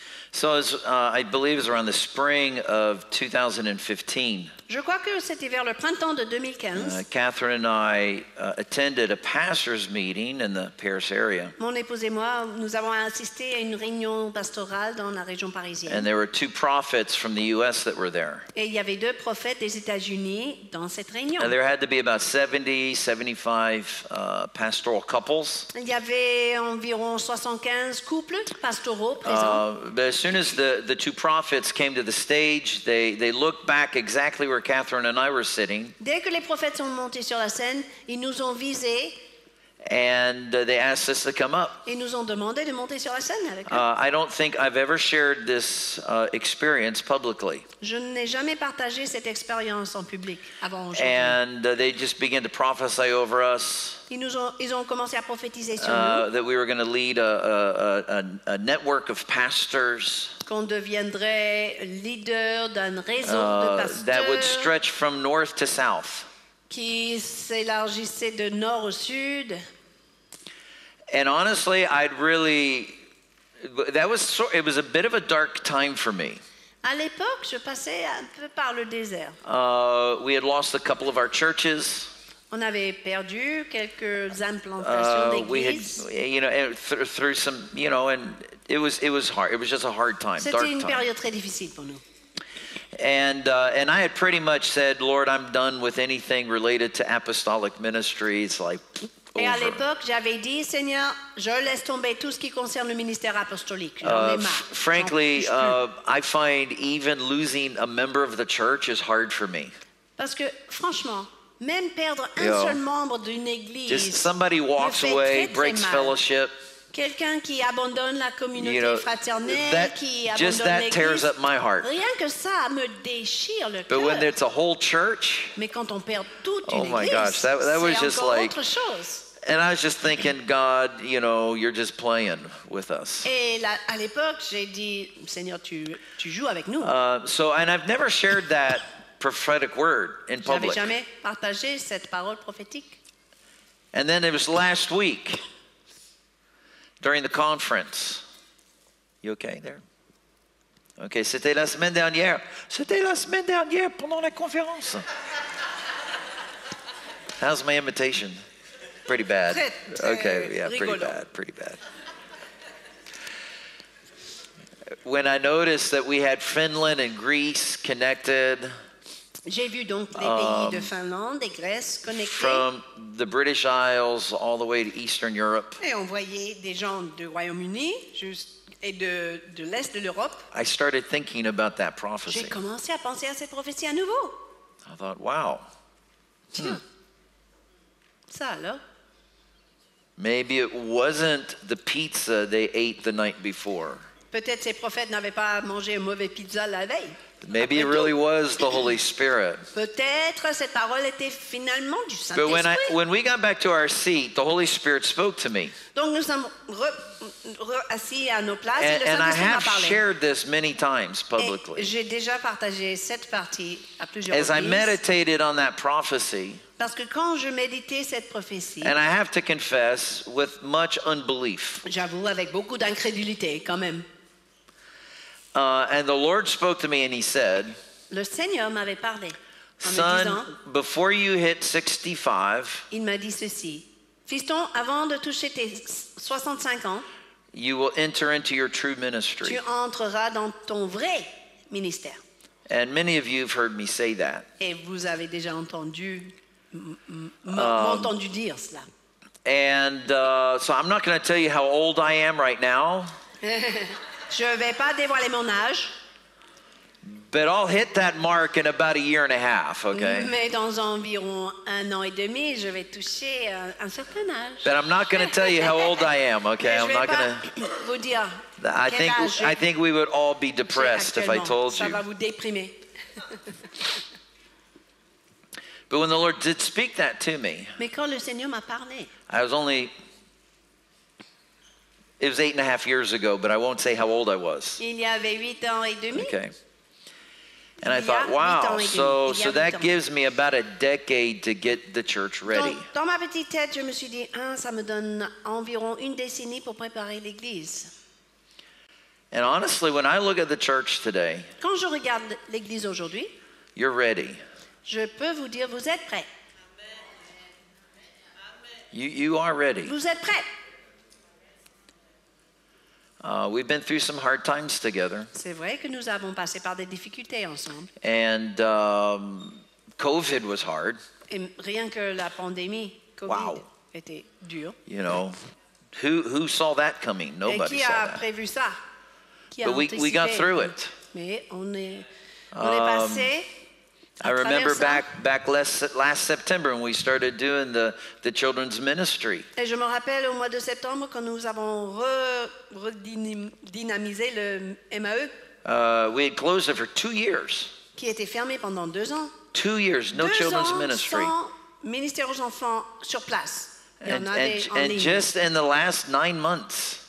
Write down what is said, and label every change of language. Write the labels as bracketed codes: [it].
[en] So as I believe it's around the spring of 2015. [fr] Je crois que c'était vers le printemps de 2015. [en] Kathryn and I attended a pastors meeting in the Paris area. [fr] Mon épouse et moi, nous avons assisté à une réunion pastorale dans la région parisienne. [en] And there were two prophets from the US that were there. [fr] Et il y avait deux prophètes des États-Unis dans cette réunion. [en] And there had to be about 70, 75 pastoral couples. [fr] Il y avait environ 75 couples pastoraux présents. [en] But as soon as the two prophets came to the stage, they looked back exactly where Kathryn and I were sitting. [fr] Dès que les prophètes sont montés sur la scène, ils nous ont visés. [en] And they asked us to come up. I don't think I've ever shared this experience publicly. [fr] Je n'ai jamais partagé cette expérience en public avant aujourd'hui. [en] And they just began to prophesy over us. [fr] Ils ont commencé à prophétiser sur nous. [en] That we were going to lead a network of pastors. [fr] Qu'on deviendrait leader d'un réseau de pasteurs. [en] That would stretch from north to south. [fr] Qui s'élargissait de nord au sud. [en] And honestly, it was a bit of a dark time for me. [fr] À l'époque, je passais un peu par le désert. [en] We had lost a couple of our churches. [fr] On avait perdu quelques implantations d'église. [en] And it was hard. It was just a hard time. [fr] C'était [en] dark [fr] une période [en] time. [fr] Très difficile pour nous. [en] And I had pretty much said, Lord, I'm done with anything related to apostolic ministry. It's like, over. [fr] Et à l'époque, j'avais dit, Seigneur, je laisse tomber tout ce qui concerne le ministère apostolique. [en] I find even losing a member of the church is hard for me. [fr] Parce que, franchement, même perdre un seul membre d'une église, [en] just somebody walks away, breaks fellowship. [fr] Quelqu'un qui abandonne la communauté fraternelle, qui abandonne [en] just that [fr] l'église. [en] Tears up my heart. [fr] Rien que ça me déchire le cœur. [en] But when it's a whole church, [fr] mais quand on perd toute une [en] oh my [fr] église, [en] gosh, that was just like, [fr] autre chose. [en] And I was just thinking, God, you know, you're just playing with us. [fr] Et là, à l'époque, j'ai dit, Seigneur, tu joues avec nous. [en] And I've never shared that prophetic word in public. [fr] J'avais jamais partagé cette parole prophétique. [en] And then it was last week. During the conference. You okay there? [fr] Okay, c'était la semaine dernière. C'était la semaine dernière pendant la conférence. [en] How's my imitation? Pretty bad. Okay, yeah, [fr] rigolo. [en] Pretty bad. When I noticed that we had Finland and Greece connected. [fr] J'ai vu donc les pays de Finlande et Grèce connectés. [en] From the British Isles all the way to Eastern Europe. [fr] Et on voyait des gens du Royaume-Uni et de l'Est de l'Europe. [en] I started thinking about that prophecy. [fr] J'ai commencé à penser à cette prophétie à nouveau. [en] I thought, wow. [fr] Ça alors? [en] Maybe it wasn't the pizza they ate the night before. [fr] Peut-être ces prophètes n'avaient pas mangé une mauvaise pizza la veille. [en] Maybe it really was the Holy Spirit. [fr] Peut-être cette parole était finalement du Saint-Esprit. [en] But when we got back to our seat, the Holy Spirit spoke to me. [fr] Donc nous sommes assis à nos places et le Saint-Esprit m'a parlé. [en] And I have shared this many times publicly. [fr] Et j'ai déjà partagé cette partie à plusieurs reprises. [en] As I meditated on that prophecy. [fr] Parce que quand je méditais cette prophétie. [en] And I have to confess with much unbelief. [fr] J'avoue avec beaucoup d'incrédulité quand même. [en] And the Lord spoke to me and he said, [fr] le Seigneur m'avait parlé, [en] son, [fr] me disant, [en] before you hit 65, [fr] il m'a dit ceci, fiston, avant de toucher tes 65 ans, [en] you will enter into your true ministry. [fr] Tu entreras dans ton vrai ministère. [en] And many of you have heard me say that. [fr] Et vous avez déjà entendu dire cela. [en] And so I'm not going to tell you how old I am right now. [fr] Je vais pas dévoiler mon âge. [en] But I'll hit that mark in about a year and a half, okay? [fr] Mais dans environ un an et demi, je vais toucher un certain âge. [en] But I'm not going to tell you how old I am, okay? [fr] Mais [en] I'm not going to [fr] vous dire. [en] I think we would all be depressed if I told [fr] ça [en] you. [fr] Ça va vous déprimer. [en] But when the Lord did speak that to me. [fr] Mais quand le Seigneur m'a parlé. [en] I was only it was 8.5 years ago, but I won't say how old I was. [fr] Il y avait 8 ans et demi. [en] Okay. And I thought, wow, so that gives me about a decade to get the church ready. [fr] Dans ma petite tête, je me suis dit, ça me donne environ une décennie pour préparer l'église. [en] And honestly, when I look at the church today, [fr] quand je regarde l'église aujourd'hui, [en] you're ready. [fr] Je peux vous dire, vous êtes prêts. [en] You are ready. [fr] Vous êtes prêts. [en] We've been through some hard times together. [fr] C'est vrai que nous avons passé par des difficultés ensemble. [en] And COVID was hard. [fr] Et rien que la pandémie, COVID, [en] wow. [fr] Était dur. [en] You know, who saw that coming? Nobody saw that. [fr] Et qui a prévu ça? [en] But we got through it. [fr] Mais on est passé [en] I remember back last September when we started doing the children's ministry. [fr] Et je me rappelle au mois de septembre quand nous avons redynamisé le MAE. [en] We had closed it for 2 years. [fr] Qui était fermé pendant 2 ans. [en] 2 years, no children's ministry. [fr] 2 ans sans ministère aux enfants sur place. [en] And just in the last 9 months.